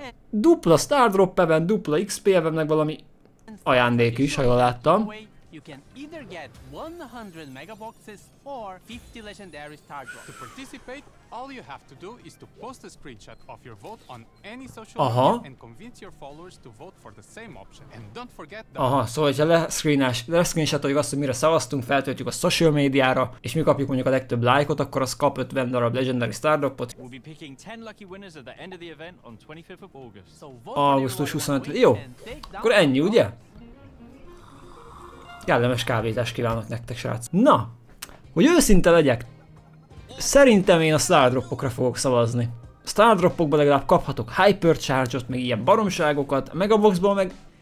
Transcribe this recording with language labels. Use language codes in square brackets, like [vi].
[hu] Dupla Star Drop event, dupla XP event, meg valami ajándék is, ha jól láttam. [en] You can either get 100 megaboxes or 50 legendary star drops. To participate, all you have to do is to post a screenshot of your vote on any social media and convince your followers to vote for the same option. And don't forget that. [hu] Aha, szóval, hogyha leszcreenshotoljuk azt, hogy mire szavaztunk, feltöltjük a social médiára, és mi kapjuk mondjuk a legtöbb lájkot, akkor az kap 50 darab legendary star dropot. [en] We'll be picking 10 lucky winners at the end of the event on 25th of August. So vote [hu] augusztus 25. Jó, akkor ennyi, ugye? Kellemes kávézást kívánok nektek, srác. Na, hogy őszinte legyek, szerintem én a Star Dropokra fogok szavazni. Star Dropokban legalább kaphatok Hypercharge-ot, meg ilyen baromságokat, a Megaboxból meg...